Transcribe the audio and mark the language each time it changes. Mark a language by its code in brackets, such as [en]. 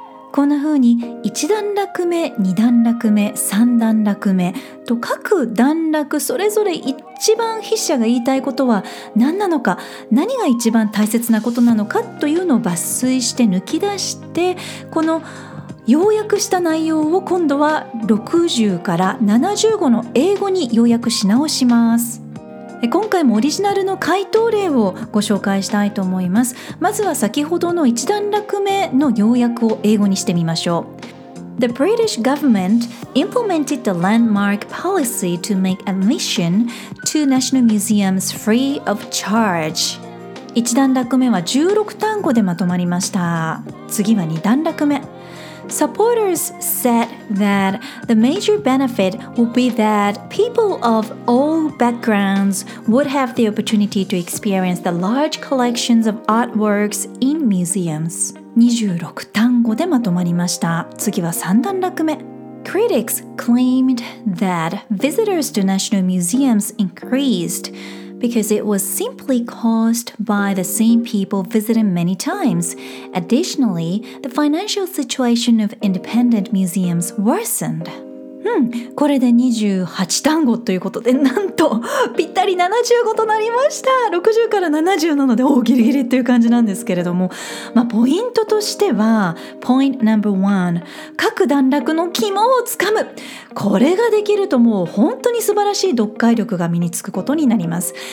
[ja] こんな風に1段落目、2段落目、3段落目と各段落それぞれ一番筆者が言いたいことは何なのか、何が一番大切なことなのかというのを抜粋して抜き出して、この要約した内容を今度は60から75の英語に要約し直します。今回もオリジナルの回答例をご紹介したいと思います。まずは先ほどの1段落目の要約を英語にしてみましょう。 [en] The British government implemented the landmark policy to make admission to national museums free of charge. [ja] 1段落目は16単語でまとまりました。次は2段落目。 [en] Supporters said that the major benefit would be that people of all backgrounds would have the opportunity to experience the large collections of artworks in museums. [ja] 26単語でまとまりました。次は3段落目。 [en] Critics claimed that visitors to national museums increased because it was simply caused by the same people visiting many times. Additionally, the financial situation of independent museums worsened. [ja] これで28単語ということで、なんとぴったり75となりました。 60から70なので、おギリギリという感じなんですけれども、まあ、ポイントとしてはポイント No.1、 各段落の肝をつかむ、これができるともう本当に素晴らしい読解力が身につくことになります。